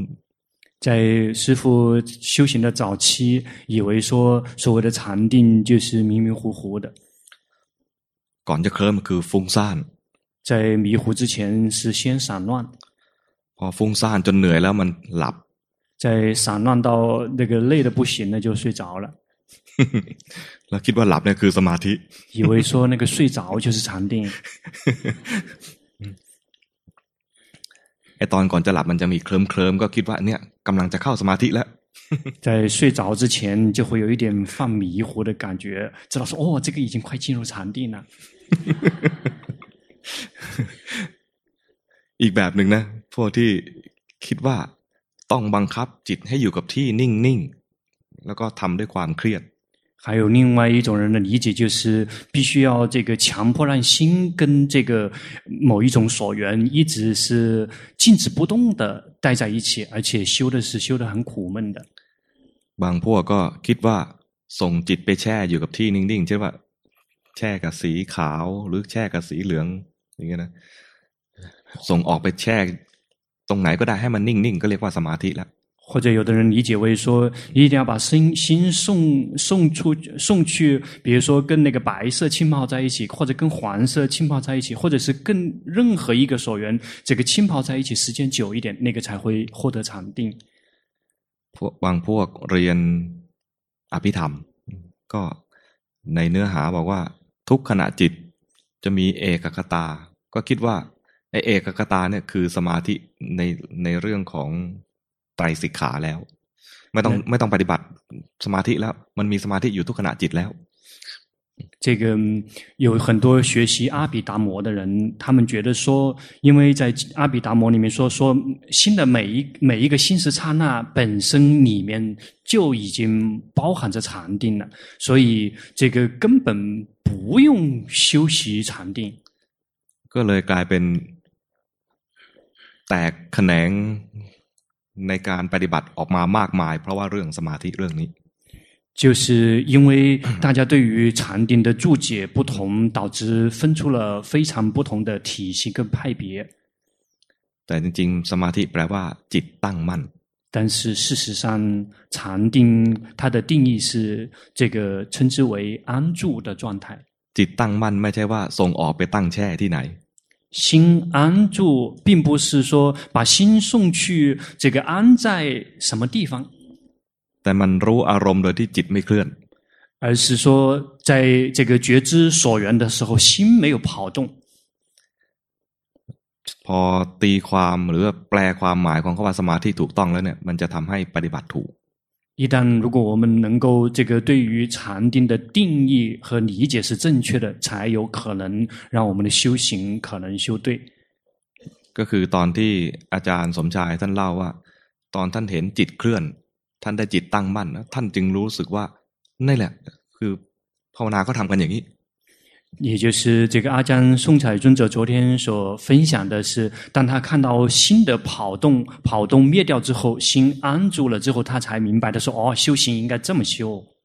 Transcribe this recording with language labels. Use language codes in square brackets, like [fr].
[zh] ๆ在师父修行的早期以为说所谓的禅定就是迷迷糊糊的 [th] ก่อนจะเคลิ้มคือฟุ้งซ่าน [zh] 在迷糊之前是先散乱 [th] พอฟุ้งซ่านจนเหนื่อยแล้วมันหลับ [zh] 在散乱到那个累得不行了就睡着了 [th] แล้วคิดว่าหลับเนี่ยคือสมาธิ [zh] 以为说那个睡着就是禅定 [th] ไอ้ตอนก่อนจะหลับมันจะมีเคลิ้มๆก็คิดว่าเนี่ยกำลังจะเข้าสมาธิแล้ว [zh] 在睡着之前就会有一点犯迷糊的感觉知道说哦这个已经快进入禅定了 [th] อีกแบบหนึ่งนะพวกที่คิดว่าต้องบังคับจิตให้อยู่กับที่นิ่งๆแล้วก็ทำด้วยความเครียด [zh] 还有另外一种人的理解就是必须要这个强迫让心跟这个某一种所缘一直是静止不动的待在一起而且修的是修得很苦闷的 [th] บางพวกก็คิดว่าส่งจิตไปแช่อยู่กับที่นิ่งๆเช่นว่าแช่กับสีขาวหรือแช่กับสีเหลืองอย่างเงี้ยนะส่งออกไปแช่ตรงไหนก็ได้ให้มันนิ่งๆก็เรียกว่าสมาธิแล้ว [zh] 或者有的人理解为说一定要把心送去比如说跟那个白色浸泡在一起或者跟黄色浸泡在一起或者是跟任何一个所缘这个浸泡在一起时间久一点那个才会获得禅定 [th] บางพวกเรียนอภิธรรมก็ในเนื้อหาบอกว่าทุกขณะจิตจะมีเอกคตาก็คิดว่าไอ้เอกคตาเนี่ยคือสมาธิในเรื่องของไตรสิกขาแล้วไม่ต้องปฏิบัติสมาธิแล้วมันมีสมาธิอยู่ทุกขณะจิตแล้ว [zh] 这个有很多学习阿毗达摩的人他们觉得说因为在阿毗达摩里面说心的每一个心识刹那本身里面就已经包含着禅定了所以这个根本不用修习禅定 [th] ก็เลยกลายเป็นแตกแขนงในการปฏิบัติออกมามากมายเพราะว่าเรื่องสมาธิเรื่องนี้ [zh] 就是因为大家对于禅定的注解不同导致分出了非常不同的体系跟派别 [th] แต่จริงๆสมาธิแปลว่าจิตตั้งมั่น [zh] 但是事实上禅定它的定义是这个称之为安住的状态 [th] จิตตั้งมั่นไม่ใช่ว่าส่งออกไปตั้งแช่ที่ไหน [zh] 心安住并不是说把心送去这个安在什么地方 [th] แต่มันรู้อารมณ์โดยที่จิตไม่เคลื่อน [zh] 而是说在这个觉知所缘的时候心没有跑动 [th] พอตีความหรือแปลความหมายของคำว่าสมาธิถูกต้องแล้วเนี่ยมันจะทำให้ปฏิบัติถูก [zh] 一旦如果我们能够这个对于禅定的定义和理解是正确的才有可能让我们的修行可能修对 [th] ก็คือตอนที่อาจารย์สมชายท่านเล่าว่าตอนท่านเห็นจิตเคลื่อนท่านได้จิตตั้งมั่นท่านจึงรู้สึกว่านี่แหละคือภาวนาก็ทำกันอย่างนี้ [zh] 也就是这个阿姜宋彩尊者昨天所分享的是当他看到心的跑动灭掉之后心安住了之后他才明白的说哦修行应该这么修